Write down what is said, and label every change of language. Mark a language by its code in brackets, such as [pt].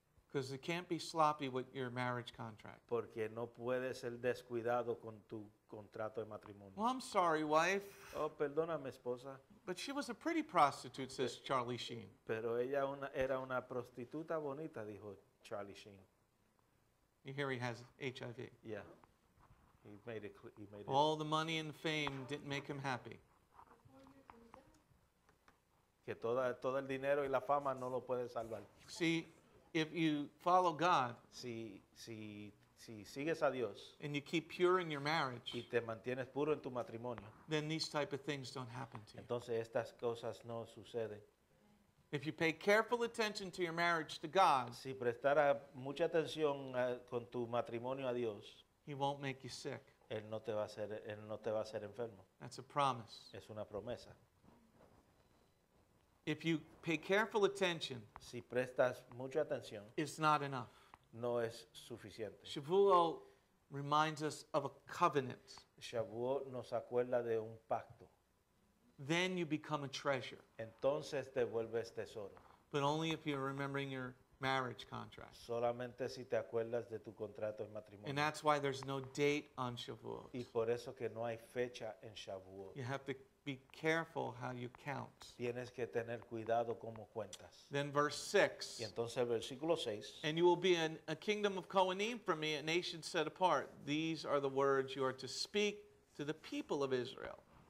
[en] Because it can't be sloppy with your marriage contract. [es] Porque no puede ser descuidado con tu contrato de matrimonio. [en] Well, I'm sorry, wife. [es] Oh, perdóname, esposa. [en] But she was a pretty prostitute, says Charlie Sheen. [es] Pero ella era una prostituta bonita, dijo Charlie Sheen. [en] You hear he has HIV. Yeah. He made it. All the money and fame didn't make him happy. [es] Que todo el dinero y la fama no lo puede salvar. [en] See, if you follow God, [es] si sigues a Dios, [en] and you keep pure in your marriage, [es] y te mantienes puro en tu matrimonio, [en] then these type of things don't happen to you. [es] Entonces estas cosas no suceden. [en] If you pay careful attention to your marriage to God, [es] si prestara mucha atención con tu matrimonio a Dios, [en] He won't make you sick. [es] Él no te va a hacer enfermo. [en] That's a promise. [es] Es una promesa. [en] If you pay careful attention, [es] si prestas mucha atención, [en] it's not enough. [es] No es suficiente. [en] Shavuot reminds us of a covenant. [es] Shavuot nos acuerda de un pacto. [en] Then you become a treasure. [es] Entonces te vuelves tesoro. [en] But only if you're remembering your marriage contract. [es] Solamente si te acuerdas de tu contrato de matrimonio. [en] And that's why there's no date on Shavuot. [es] Y por eso que no hay fecha en Shavuot. [en] You have to be careful how you count. [es] Tienes que tener cuidado cómo cuentas. [en] Then verse 6. [es] Y entonces versículo 6. [en] And you will be in a kingdom of Kohanim for me, a nation set apart. These are the words you are to speak to the people of Israel.